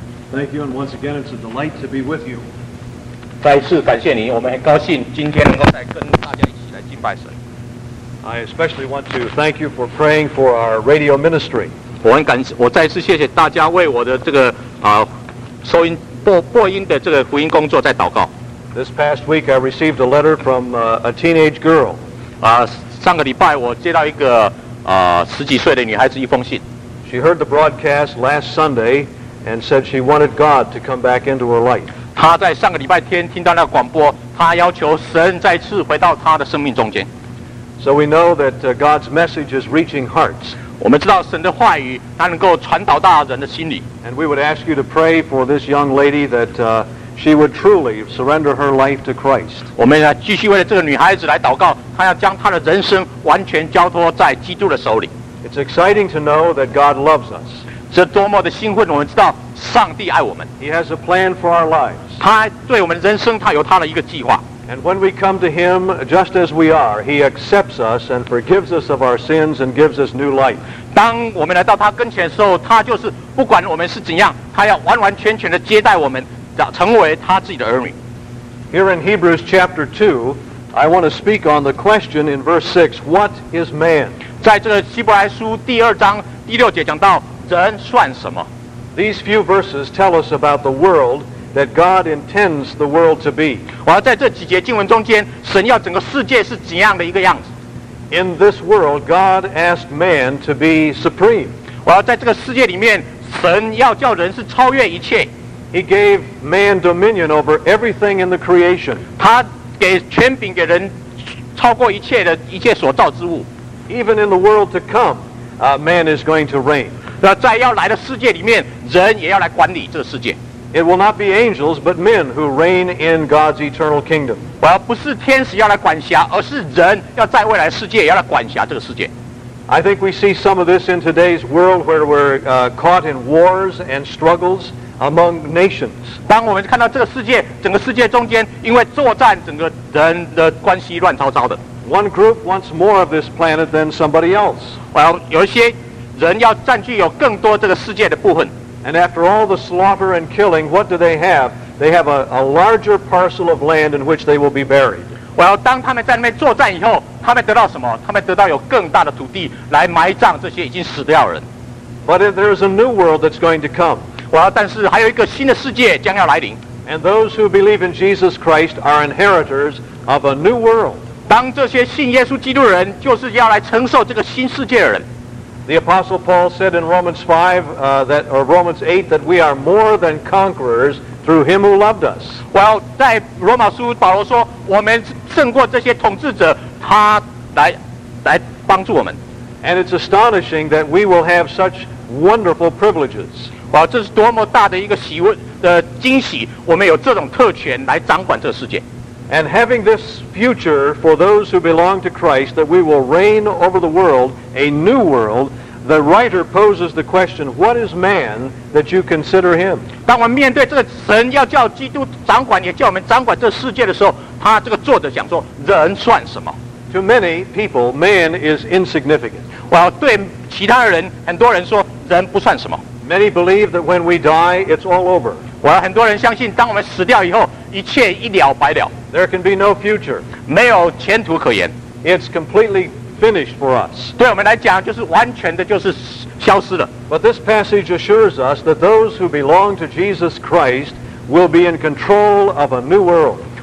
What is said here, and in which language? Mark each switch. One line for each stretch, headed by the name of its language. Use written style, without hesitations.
English: Thank you, and once again it's a delight to be with you.
Chinese: 再一次感谢你，我们很高兴今天能够来跟大家一起来敬拜神。
English: I especially want to thank you for praying for our radio ministry.
Chinese: 我再次谢谢大家为我的这个收音播音的这个福音工作在祷告。
English: This past week I received a letter from a teenage girl.
Chinese: 上个礼拜我接到一个十几岁的女孩子一封信。
English: She heard the broadcast last Sunday and said she wanted God to come back into her life.
Chinese: 她在上个礼拜天听到那广播，她要求神再次回到她的生命中间。
English: So we know that God's message is reaching hearts.
Chinese: 我们知道神的话语它能够传导到人的心里。
English: And we would ask you to pray for this young lady that she would truly surrender her life to Christ.
Chinese: 我们继续为了这个女孩子来祷告，她要将她的人生完全交托在基督的手里。
English: It's exciting to know that God loves us.
Chinese: 这多么的兴奋，我们知道上帝爱我们。
English: He has a plan for our lives.
Chinese: 他对我们人生他有他的一个计划。
English: And when we come to him just as we are, he accepts us and forgives us of our sins and gives us new life.
Chinese: 当我们来到他跟前的时候，他就是不管我们是怎样，他要完完全全的接待我们，成为他自己的儿女。
English: Here in Hebrews chapter 2, I want to speak on the question in verse 6, what is man?
Chinese: 在这个希伯来书第二章第六节讲到人算什么。
English: These few verses tell us about the world that God intends the world to be.
Chinese: 我要在这几节经文中间，神要整个世界是怎样的一个样子。
English: In this world, God asked man to be supreme.
Chinese: 我要在这个世界里面，神要叫人是超越一切。
English: He gave man dominion over everything in the creation.
Chinese: 他给权柄给人，超过一切的一切所造之物。
English: Even in the world to come, man is going to reign.
Chinese: 在要来的世界里面，人也要来管理这个世界。
English: It will not be angels, but men who reign in God's eternal kingdom.
Chinese: 不是天使要来管辖，而是人要在未来世界要来管辖这个世界。
English: I think we see some of this in today's world where we're caught in wars and struggles among nations.
Chinese: 当我们看到这个世界，整个世界中间因为作战，整个人的关系乱糟糟的。
English: One group wants more of this planet than somebody else.
Chinese: 有一些人要占据有更多这个世界的部分。
English: And after all the slaughter and killing, what do they have? They have a larger parcel of land in which they will be buried.
Chinese: 当他们在那边作战以后，他们得到什么？他们得到有更大的土地来埋葬这些已经死掉的人。
English: But there is a new world that's going to come.
Chinese: 但是还有一个新的世界将要来临。
English: And those who believe in Jesus Christ are inheritors of a new world.
Chinese: 当这些信耶稣基督的人就是要来承受这个新世界的人。
English: The Apostle Paul said in Romans 5, Romans 8, that we are more than conquerors through him who loved us.
Chinese: 在罗马书保罗说，我们胜过这些统治者，他来帮助我们。
English: And it's astonishing that we will have such wonderful privileges.
Chinese: 这是多么大的一个喜悦的惊喜，我们有这种特权来掌管这个世界。
English: And having this future for those who belong to Christ, that we will reign over the world, a new world, the writer poses the question, what is man that you consider him?
Chinese: 当我们面对这个神要叫基督掌管，也叫我们掌管这世界的时候，他这个作者讲说，人算什么？
English: To many people, man is insignificant.
Chinese: 对其他人，很多人说，人不算什么。
English: Many believe that when we die, it's all over.
Chinese: 很多人相信，当我们死掉以后，一切一了百了。
English: There can be no future.
Chinese: 没有前途可言。
English: It's completely finished for us.
Chinese: 对我们来讲，就是完全的，就是消失了。
English: But this passage assures us that those who belong to Jesus Christ will be in control of a new world.